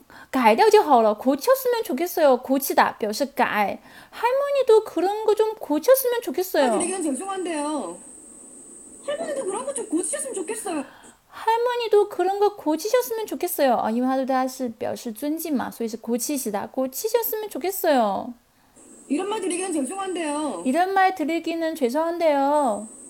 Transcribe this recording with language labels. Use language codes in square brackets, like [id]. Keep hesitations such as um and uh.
[zh] 改掉就好了, [ko] 고쳤으면 좋겠어요. 고치다, [zh] 表示改. [ko] 할머니도 그런 거 좀 고쳤으면 좋겠어요. 아, 근데 죄송한데요. 할머니도 그런 거 좀 고치셨으면 좋겠어요. 할머니도 그런 거 고치셨으면 좋겠어요. 아, 이말도다시 [zh] 表示尊敬嘛所以是 [ko] 고치시다 고치셨으면 좋겠어요. 이런 말드기는 죄송한데요. 이런 말드기는 죄송한데요.